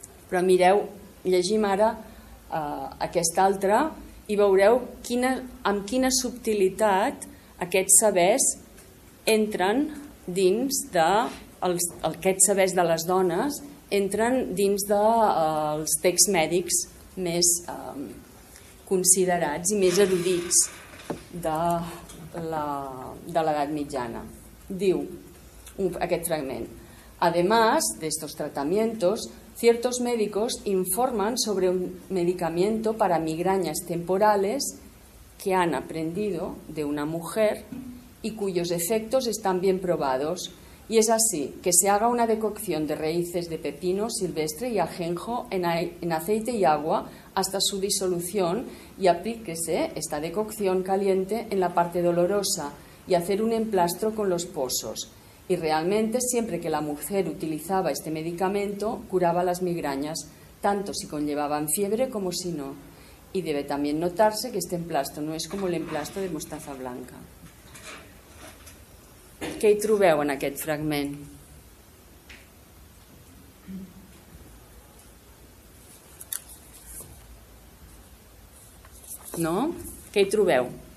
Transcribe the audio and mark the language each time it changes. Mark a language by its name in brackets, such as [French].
[Catalan] Però mireu, llegim ara aquest altre i veureu amb quina subtilitat aquests sabers entren dins de aquests sabers de les dones entren dins dels texts mèdics més considerats i més erudits de l'edat mitjana. Diu aquest fragment: [Spanish] "Además de estos tratamientos, ciertos médicos informan sobre un medicamento para migrañas temporales que han aprendido de una mujer y cuyos efectos están bien probados. Y es así, que se haga una decocción de raíces de pepino silvestre y ajenjo en aceite y agua hasta su disolución y aplíquese esta decocción caliente en la parte dolorosa y hacer un emplastro con los pozos. Y realmente, siempre que la mujer utilizaba este medicamento, curaba las migrañas, tanto si conllevaban fiebre como si no. Y debe también notarse que este emplastro no es como el emplastro de mostaza blanca". [Catalan] Què hi trobeu en aquest fragment? No? Què hi trobeu?